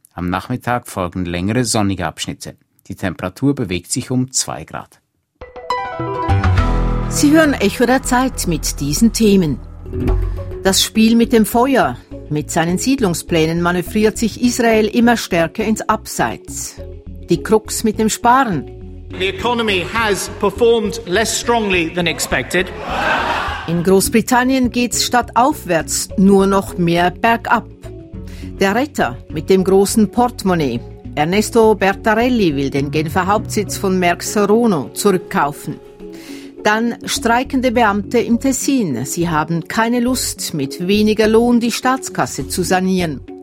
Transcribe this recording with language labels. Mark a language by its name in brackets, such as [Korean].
[German] Am Nachmittag folgen längere sonnige Abschnitte. Die Temperatur bewegt sich um 2 Grad. Sie hören Echo der Zeit mit diesen Themen. Das Spiel mit dem Feuer. Mit seinen Siedlungsplänen manövriert sich Israel immer stärker ins Abseits. Die Krux mit dem Sparen. [English] The economy has performed less strongly than expected. [German] In Großbritannien geht's statt aufwärts nur noch mehr bergab. Der Retter mit dem großen Portemonnaie. Ernesto Bertarelli will den Genfer Hauptsitz von Merck Serono zurückkaufen. Dann streikende Beamte im Tessin. Sie haben keine Lust, mit weniger Lohn die Staatskasse zu sanieren.